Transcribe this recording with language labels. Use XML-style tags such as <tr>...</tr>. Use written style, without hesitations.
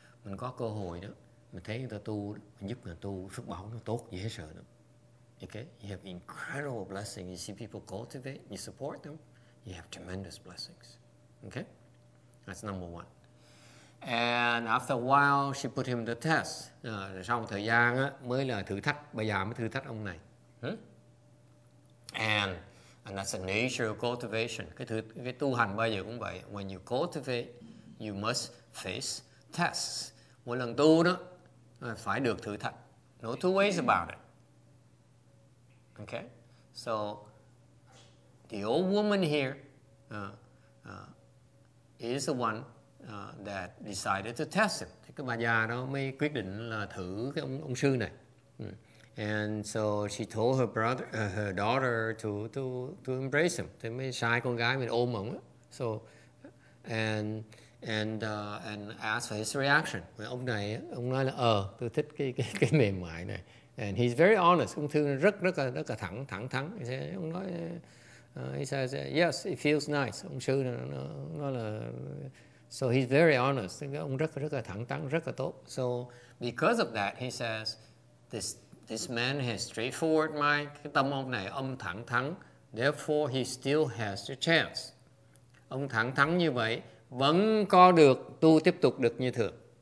<vi>Mình có cơ hội đó, mình thấy người ta tu, mình giúp người ta tu, phước báo nó tốt dễ sợ lắm.</vi> <en>Okay, you have incredible blessing. You see people cultivate, you support them, you have tremendous blessings. Okay, that's number one. And after a while, she put him to test.</en> <vi>Sau một thời gian á, mới là thử thách, bây giờ mới thử thách ông này.</vi> <en>And that's the nature of cultivation.</en> <vi>Cái tu hành bao giờ cũng vậy.</vi> <en>When you cultivate, you must face tests.</en> <vi>Mỗi lần tu đó, phải được thử thách.</vi> <en>No two ways about it. Okay? So, the old woman here, is the one that decided to test him.</en> <vi>Thì cái bà già đó mới quyết định là thử cái ông sư này.</vi> <en>And so she told her brother, her daughter to embrace him.</en> <vi>Thì mới sai con gái mình ôm ông.</vi> <en>So and asked for his reaction.</en> <vi>Và ông này ông nói là tôi thích cái mềm mại này.</vi> <en>And he's very honest.</en> <vi>Ông thư rất là thẳng thắn. Ông nói</vi> <en>he says yes, it feels nice.</en> <vi>Ông sư nói là</vi> <en>so he's very honest.</en> <vi>Ông rất là thẳng thắn, rất là tốt.</vi> <en>So because of that, he says this man has straightforward mind.</en> <vi>Cái tâm ông này ông thẳng thắn.</vi> <en>Therefore, he still has a chance.</en> <vi>Ông thẳng thắn như vậy vẫn có được tu tiếp tục được như thường.</vi>